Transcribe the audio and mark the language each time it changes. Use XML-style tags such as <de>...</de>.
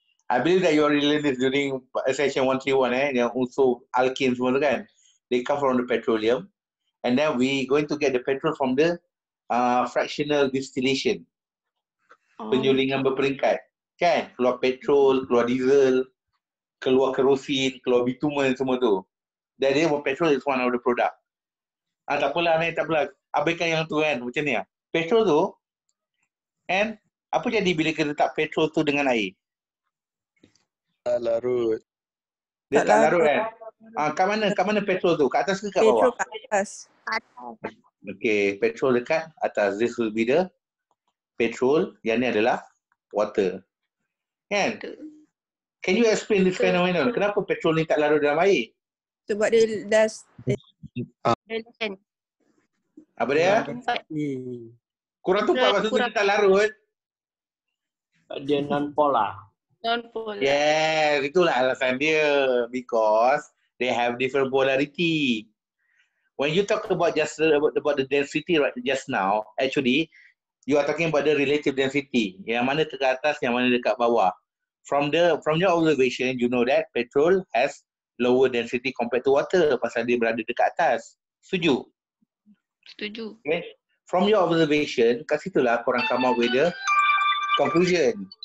<en>I believe that you already learned this during session 131, yang also alkene</en> <ms>semua tu kan.</ms> <en>They come from the petroleum. And then we going to get the petrol from the fractional distillation.</en> <ms>Penyulingan berperingkat. Kan? Keluar petrol, keluar diesel, keluar kerosin, keluar bitumen semua tu.</ms> <en>That is what petrol is one of the product.</en> <ms>Tak apalah. Abaikan yang tu kan. Macam ni lah. Petrol tu. And apa jadi bila kita letak petrol tu dengan air? Tak larut. Dia tak larut kan? Kat mana? Kat mana petrol tu? Kat atas ke kat bawah? Petrol kat atas.</ms> <en>Okay.</en> <ms>Petrol dekat atas.</ms> <en>This will be the petrol.</en> <ms>Yang ni adalah water. Kan?</ms> <en>Can you explain this phenomenon?</en> <ms>Kenapa petrol ni tak larut dalam air? Sebab dia dah... Apa dia? Kurang tumpah maksudnya tak larut. Dia non-polar. Non-polar.</ms> <en>Yes,</en> <ms>itulah alasan dia.</ms> <en>Because they have different polarity. When you talk about about the density right just now, actually, you are talking about the relative density.</en> <ms>Yang mana dekat atas, yang mana dekat bawah.</ms> <en>From your observation, you know that petrol has lower density compared to water</en> <ms>pasal dia berada dekat atas. Setuju? Setuju.</ms> <en>Okay. From your observation,</en> <ms>kat situlah korang</ms> <en>come up with the conclusion.</en>